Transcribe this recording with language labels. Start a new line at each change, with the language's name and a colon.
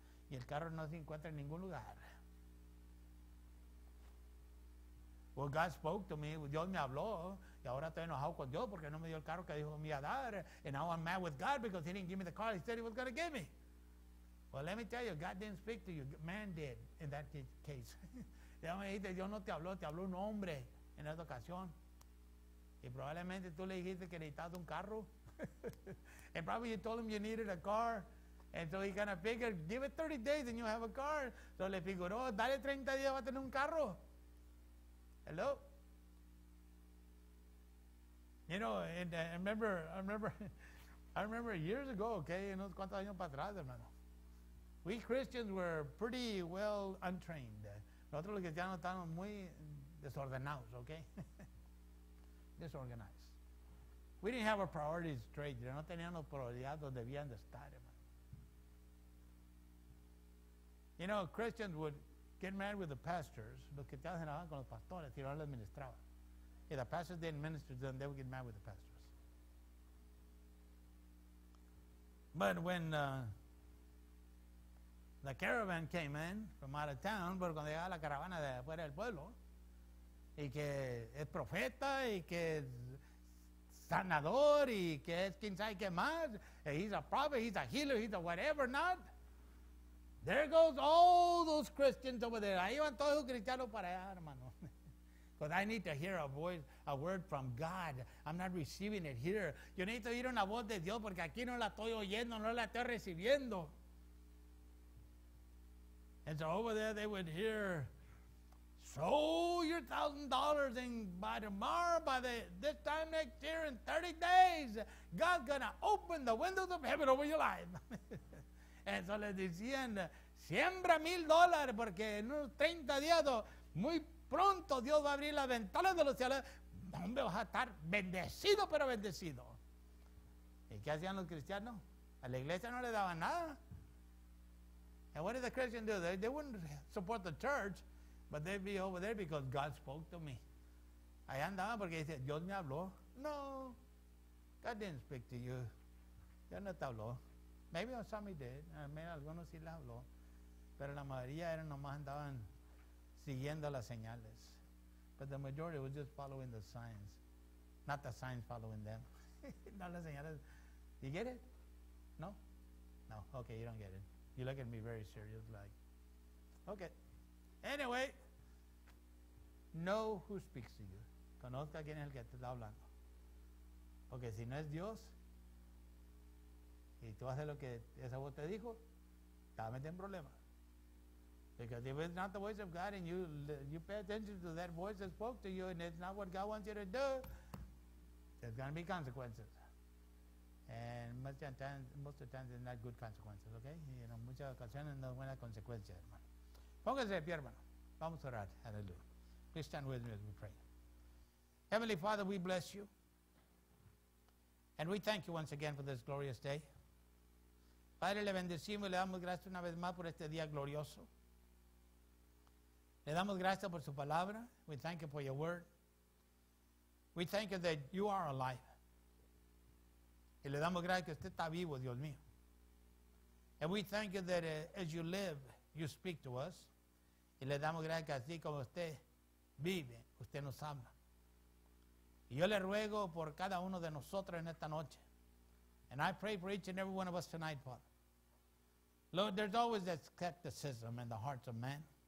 Spanish: Y el carro no se encuentra en ningún lugar.
English: Well, God spoke to me,
Spanish: Dios me habló, y ahora estoy enojado con Dios porque no me dio el carro que dijo me iba a dar.
English: And now I'm mad with God because he didn't give me the car he said he was going to give me. Well, let me tell you, God didn't speak to you. Man did in that case.
Spanish: Ya me dijiste, Dios no te habló, te habló un hombre en esa ocasión. Y probablemente tú le dijiste que necesitabas un carro.
English: And probably you told him you needed a car. And so he kind of figured, give it 30 days and you have a car.
Spanish: So le figuró, dale 30 días, va a tener un carro. Hello?
English: You know, and I remember years ago, okay, you know,
Spanish: ¿cuántos años para atrás, hermano?
English: We Christians were pretty well untrained.
Spanish: Nosotros los cristianos estábamos muy desordenados,
English: okay? Disorganized. We didn't have our priorities straight. No teníamos prioridades donde debían de estar, hermano. You know, Christians would get married with the pastors.
Spanish: Los cristianos se enojaban con los pastores y no les ministraban.
English: If the pastors didn't minister to them, they would get mad with the pastors. But when the caravan came in from out of town,
Spanish: porque cuando llegaba la caravana de afuera del pueblo, y que es profeta, y que es sanador, y que es quien sabe qué más,
English: he's a prophet, he's a healer, he's a whatever, not. There goes all those Christians over there.
Spanish: Ahí van todos los cristianos para allá, hermano.
English: But I need to hear a voice, a word from God. I'm not receiving it here.
Spanish: Yo necesito oír una voz de Dios porque aquí no la estoy oyendo, no la estoy recibiendo.
English: And so over there they would hear, sow your $1,000 and by tomorrow, by this time next year, in 30 days, God's going to open the windows of heaven over your life.
Spanish: And so les decían, siembra $1,000 porque en unos 30 días, muy pronto Dios va a abrir las ventanas de los cielos. ¿Dónde vas a estar? Bendecido, pero bendecido. ¿Y qué hacían los cristianos? A la iglesia no le daban nada.
English: And what did the Christians do? They wouldn't support the church, but they'd be over there because God spoke to me.
Spanish: Ahí andaban porque dice, Dios me habló.
English: No, God didn't speak to you.
Spanish: Dios no te habló.
English: Maybe some he did.
Spanish: Maybe algunos sí les habló. Pero la mayoría eran nomás andaban siguiendo las señales.
English: But the majority was just following the signs. Not the signs following them. Not
Spanish: las señales.
English: You get it? No? No. Okay, you don't get it. You look at me very serious like. Okay. Anyway. Know who speaks to you.
Spanish: Conozca quién es el que te está hablando. Porque si no es Dios, y tú haces lo que esa voz te dijo, te va a meter en problemas.
English: Because if it's not the voice of God and you pay attention to that voice that spoke to you and it's not what God wants you to do, there's going to be consequences. And most of the times they're not good consequences, okay?
Spanish: You know, muchas ocasiones no buenas consecuencias, hermano. Póngase de pie, hermano. Vamos a orar. Hallelujah.
English: Please stand with me as we pray. Heavenly Father, we bless you. And we thank you once again for this glorious day.
Spanish: Padre, le bendecimos y le damos gracias una vez más por este día glorioso. Le damos gracias por su palabra.
English: We thank you for your word. We thank you that you are alive.
Spanish: Y le damos gracias que usted está vivo, Dios mío.
English: And we thank you that as you live, you speak to us.
Spanish: Y le damos gracias que así como usted vive, usted nos habla. Y yo le ruego por cada uno de nosotros en esta noche.
English: And I pray for each and every one of us tonight, Father. Lord, there's always that skepticism in the hearts of men.